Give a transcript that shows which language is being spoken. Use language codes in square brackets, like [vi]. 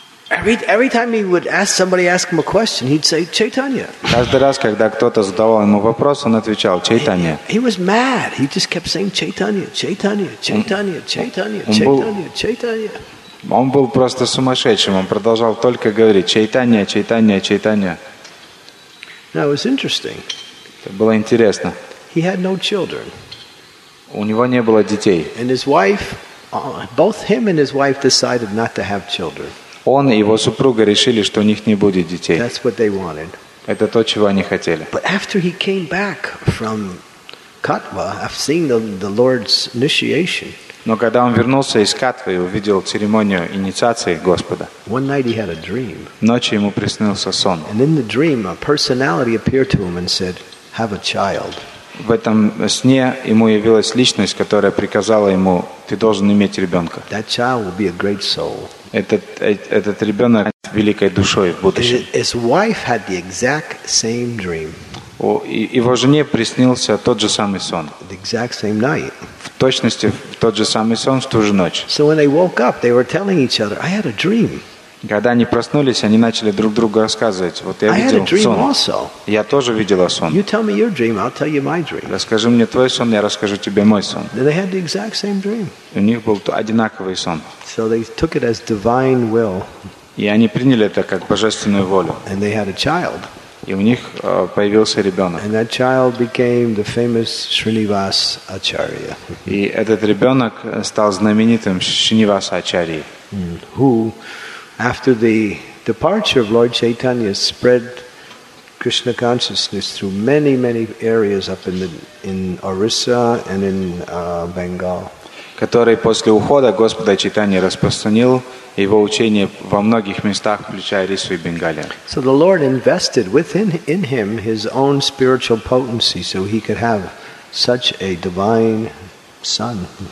[en] Every time he would ask him a question, he'd say Chaitanya. [ru] Каждый раз, когда кто-то задавал ему вопрос, он отвечал Chaitanya. [en] He was mad. He just kept saying Chaitanya, Chaitanya, Chaitanya, Chaitanya, Chaitanya, Chaitanya. [ru] Он был просто сумасшедшим. Он продолжал только говорить Chaitanya, Chaitanya, Chaitanya. [en] Now it was interesting. [ru] Это было интересно. [en] He had no children. [ru] У него не было детей. [en] And his wife, both him and his wife decided not to have children. [ru] Он и его супруга решили, что у них не будет детей. [en] That's what they wanted. [ru] Это то, чего они хотели. [en] But after he came back from Katwa, after seeing the Lord's initiation. [ru] Но когда он вернулся из Катвы и увидел церемонию инициации Господа. [en] One night he had a dream. [ru] Ночью ему приснился сон. [en] And in the dream, a personality appeared to him and said, "Have a child." [ru] В этом сне ему явилась личность, которая приказала ему: ты должен иметь ребенка. [en] That child will be a great soul. [ru] Этот ребенок с великой душой в будущем. [en] His wife had the exact same dream. [ru] Его жене приснился тот же самый сон. [en] The exact same night. [ru] В точности в тот же самый сон в ту же ночь. [en] So when they woke up, they were telling each other, "I had a dream." [ru] Когда они проснулись, они начали друг другу рассказывать. Вот я видел сон. Я тоже видела сон. [en] You tell me your dream, I'll tell you my dream. [ru] Расскажи мне твой сон, я расскажу тебе мой сон. [en] Then they had the exact same dream. [ru] У них был одинаковый сон. [en] So they took it as divine will. [ru] И они приняли это как божественную волю. [en] And they had a child. [ru] И у них появился ребенок. [en] And that child became the famous Srinivas Acharya. [ru] И этот ребенок стал знаменитым Шринивас Ачарьей. [en] Who after the departure of Lord Chaitanya spread Krishna consciousness through many, many areas up in Orissa and in Bengal. [ru] Который после ухода Господа Чайтанья распространил его учение во многих местах, включая Орису и Бенгалию. [en] So the Lord invested within in him his own spiritual potency so he could have such a divine son.